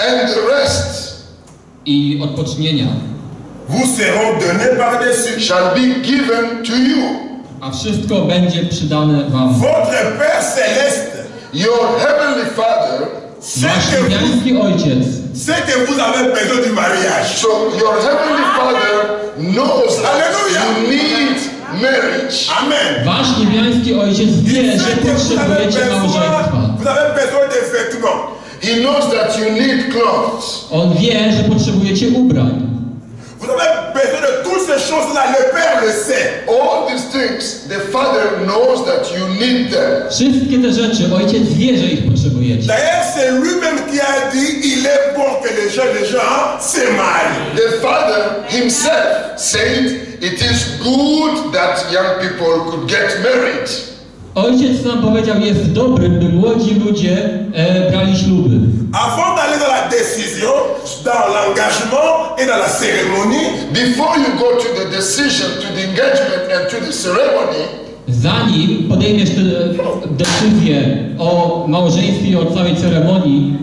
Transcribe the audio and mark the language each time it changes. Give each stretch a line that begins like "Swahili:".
English: And the rest.
Polish: I odpocznienia.
French: Vous seront donnés par-dessus.
English: Shall be given to you.
Polish: A wszystko będzie przydane wam.
French: Votre Père Céleste.
English: Your Heavenly Father.
Polish: Wasz niebiański Ojciec.
French: C'est que vous avez besoin du mariage.
English: So your heavenly Father knows that you need marriage. Amen.
Polish: Wasz niebiański Ojciec wie, że potrzebujecie małżeństwa.
French: Vous avez besoin de vêtements.
English: He knows that you need clothes.
Polish: On wie, że potrzebujecie ubrań.
French: Vous avez besoin de toutes ces choses-là. Le Père le sait.
English: All these things, the Father knows that you need them.
Polish: Wszystkie te rzeczy, Ojciec wie, że ich potrzebujecie.
French: D'ailleurs, c'est lui-même qui a dit, il est bon que les jeunes gens se marient.
English: The Father himself said, it is good that young people could get married.
Polish: Ojciec sam powiedział, jest dobre, by młodzi ludzie brali śluby.
French: Avant d'aller dans la décision, dans l'engagement et dans la cérémonie,
English: before you go to the decision, to the engagement and to the ceremony,
Polish: zanim podejmiesz decyzję o małżeństwie i o całej ceremonii,